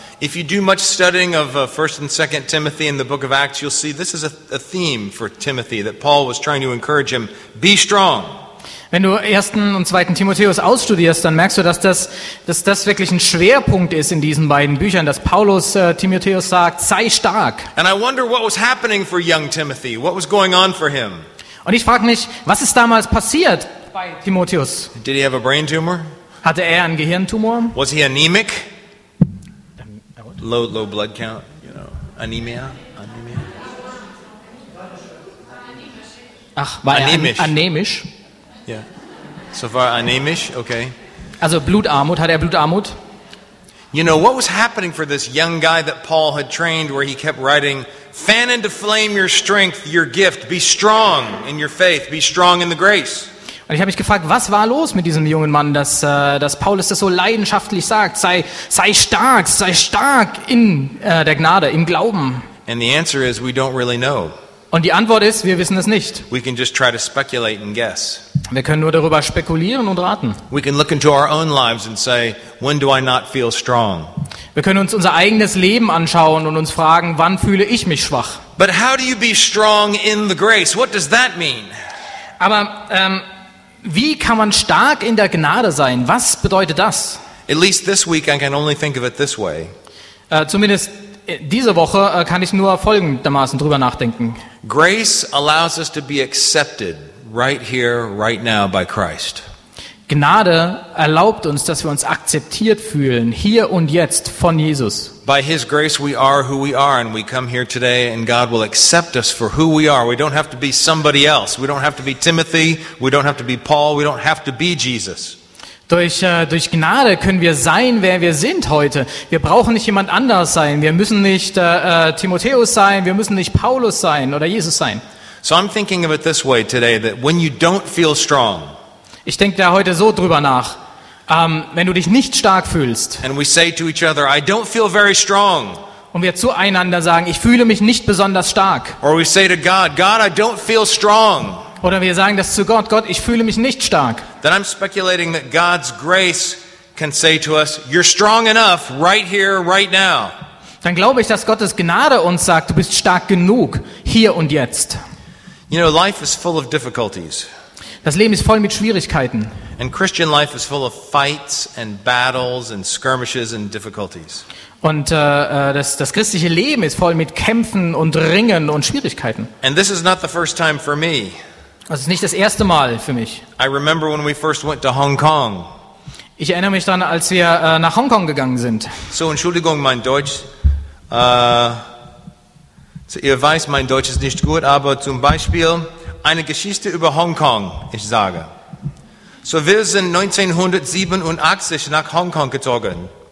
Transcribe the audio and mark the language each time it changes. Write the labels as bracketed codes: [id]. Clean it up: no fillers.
[en] If you do much studying of 1 and 2 Timothy in the book of Acts, you'll see this is a theme for Timothy that Paul was trying to encourage him, be strong. [de] Wenn du 1. und 2. Timotheus ausstudierst, dann merkst du, dass das wirklich ein Schwerpunkt ist in diesen beiden Büchern, dass Paulus Timotheus sagt, sei stark. [en] And I wonder what was happening for young Timothy, what was going on for him? [de] Und ich frage mich, was ist damals passiert bei Timotheus? [en] Did he have a brain tumor? [de] Hatte er einen Gehirntumor? [en] Was he anemic? Low blood count, you know, anemia. [de] Ach, war anemisch. Er anemisch? [en] Yeah. So far [de] anemisch, [en] okay. [de] Also Blutarmut, hat er Blutarmut? [en] You know, what was happening for this young guy that Paul had trained where he kept writing, fan into flame your strength, your gift, be strong in your faith, be strong in the grace. [de] Und ich habe mich gefragt, was war los mit diesem jungen Mann, dass Paulus das so leidenschaftlich sagt, sei stark in der Gnade, im Glauben. [en] And the answer is, we don't really know. [de] Und die Antwort ist, wir wissen es nicht. [en] We can just try to speculate and guess. [de] Wir können nur darüber spekulieren und raten. [en] We can look into our own lives and say, when do I not feel strong? [de] Wir können uns unser eigenes Leben anschauen und uns fragen, wann fühle ich mich schwach? [en] But how do you be strong in the grace? What does that mean? [de] Aber wie kann man stark in der Gnade sein? Was bedeutet das? [en] At least this week I can only think of it this way. [de] Zumindest diese Woche kann ich nur folgendermaßen drüber nachdenken. [en] Grace allows us to be accepted right here, right now by Christ. [de] Gnade erlaubt uns, dass wir uns akzeptiert fühlen, hier und jetzt von Jesus. [en] By his grace we are who we are and we come here today and God will accept us for who we are. We don't have to be somebody else. We don't have to be Timothy. We don't have to be Paul. We don't have to be Jesus. [de] Durch Gnade können wir sein, wer wir sind heute. Wir brauchen nicht jemand anders sein. Wir müssen nicht Timotheus sein. Wir müssen nicht Paulus sein oder Jesus sein. [en] So I'm thinking of it this way today, that when you don't feel strong, [de] ich denke da heute so drüber nach, wenn du dich nicht stark fühlst, [en] and we say to each other, I don't feel very strong, [de] und wir zueinander sagen, ich fühle mich nicht besonders stark, [en] or we say to God, God, I don't feel strong, [de] oder wir sagen das zu Gott, Gott, ich fühle mich nicht stark, [en] then I'm speculating that God's grace can say to us, you're strong enough right here, right now. [de] Dann glaube ich, dass Gottes Gnade uns sagt, du bist stark genug, hier und jetzt. [en] You know, life is full of difficulties. [de] Das Leben ist voll mit Schwierigkeiten. [en] And Christian life is full of fights and battles and skirmishes and difficulties. [de] Und das christliche Leben ist voll mit Kämpfen und Ringen und Schwierigkeiten. [en] And this is not the first time for me. [de] Das ist nicht das erste Mal für mich. [en] I remember when we first went to Hong Kong. [de] Ich erinnere mich dann, als wir nach Hongkong gegangen sind. So, Entschuldigung, mein Deutsch. Ihr weiß, mein Deutsch ist nicht gut, aber zum Beispiel eine Geschichte über Hongkong, ich sage. So, wir sind 1987 nach Hongkong gezogen.